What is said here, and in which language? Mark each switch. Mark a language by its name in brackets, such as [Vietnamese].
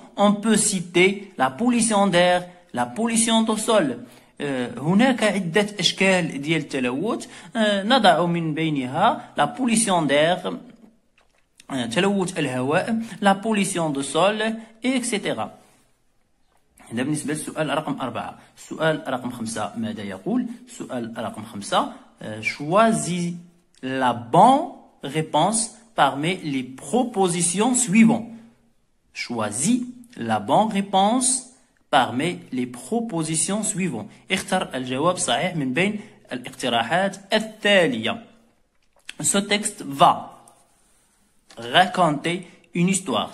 [French] On peut citer la pollution d'air, la pollution du sol. [Arabic] هناك عدة أشكال ديال التلوث. نضع من بينها [French] la pollution d'air, [Arabic] تلوث الهواء, [French] la pollution du sol, etc. [Arabic] هذا بالنسبة للسؤال رقم أربعة. السؤال رقم خمسة ماذا يقول؟ سؤال رقم خمسة choisis [French] La bonne réponse parmi les propositions suivantes. Choisis la bonne réponse parmi les propositions suivantes. [Arabic] اختر الجواب صحيح من بين الاقتراحات التالية. [French] Ce texte va raconter une histoire.